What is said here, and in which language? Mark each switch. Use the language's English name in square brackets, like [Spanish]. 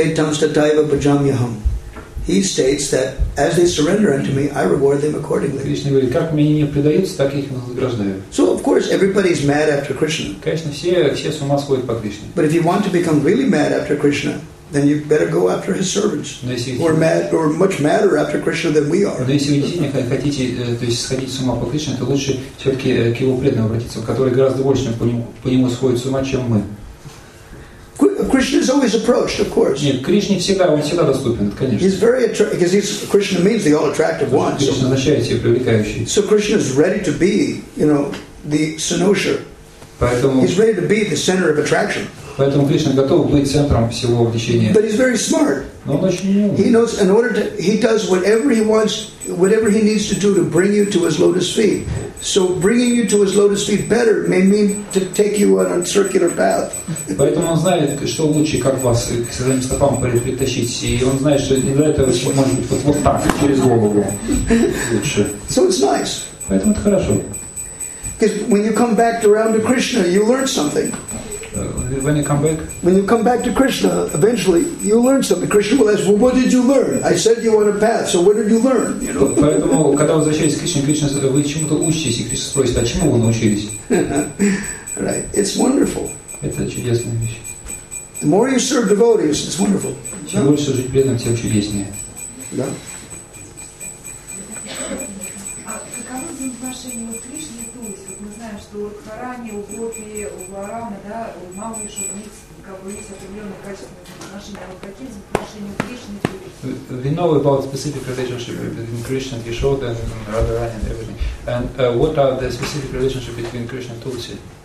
[English] He states that as they surrender unto me, I reward them accordingly. [Russian] Krishna говорит, как мне не предаются, так их вознаграждаю. [English] So of course everybody is mad after Krishna. [Russian] Конечно, все с ума сходят по Кришне. [English] But if you want to become really mad after Krishna, then you better go after his servants. Or much madder after Krishna than we are. [Russian] Но если вы действительно хотите, то есть сходить с ума по Кришне, то лучше все-таки к его преданным обратиться, которые гораздо больше по нему сходят с ума, чем мы. [English] Krishna is always approached, of course. [Russian] Нет, Кришне всегда, он всегда доступен, конечно. [English] He's very attractive, because Krishna means the all-attractive one. [Russian] Krishna означает все привлекающие. [English] So Krishna is ready to be, you know, the sannusha. [Russian] Поэтому. [English] He's ready to be the center of attraction. [Russian] Поэтому Кришна готов быть центром всего влечения. [English] But he's very smart. [Russian] Но он очень умный. [English] He knows in order to, he does whatever he wants, whatever he needs to do to bring you to his lotus feet. So bringing you to his lotus feet better may mean to take you on a circular path. [Russian] Поэтому он знает, что лучше, как вас к своим стопам притащить. И он знает, что не для этого все может быть вот так, через голову лучше. [English] So it's nice. [Russian] Поэтому это хорошо. [English] Because when you come back around to Krishna, you learn something. When you come back to Krishna, eventually you learn something. Krishna will ask, well, what did you learn? I said you want a path, so what did you learn? [Russian] Поэтому, когда вы возвращаетесь к Кришне, Кришна спросит, вы чему-то учитесь, и Кришна спросит, а чему вы научились? [English] Right. It's wonderful. [Russian] Это чудесная вещь. [English] The more you serve devotees, it's wonderful. [Russian] Чем больше служить преданным, тем чудеснее. Да. Что в Харане, у Гопи, у Варамы, да, у Мавы, у Шубниц, [English] We know about specific relationship between Krishna and Yashoda and Radharani and everything. And what are the specific relationship between Krishna and Tulsi?